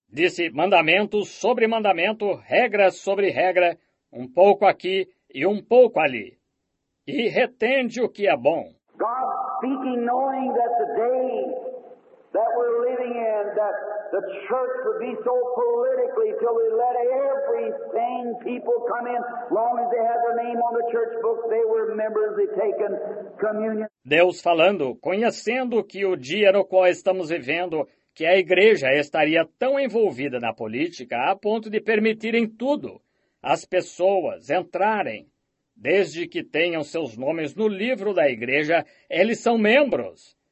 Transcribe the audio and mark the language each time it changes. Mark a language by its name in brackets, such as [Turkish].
[Portuguese] Disse, mandamento sobre mandamento, regra sobre regra, um pouco aqui e um pouco ali. E retende o que é bom. [English] God speaking, knowing that the day that we're living in, that the church would be so politically till we let every sane people come in, long as they had their name on the church book, they were members, they taken communion. [Portuguese] Deus falando, conhecendo que o dia no qual estamos vivendo, que a igreja estaria tão envolvida na política a ponto de permitirem tudo, as pessoas entrarem. Desde que tenham seus nomes no livro da igreja, eles são membros.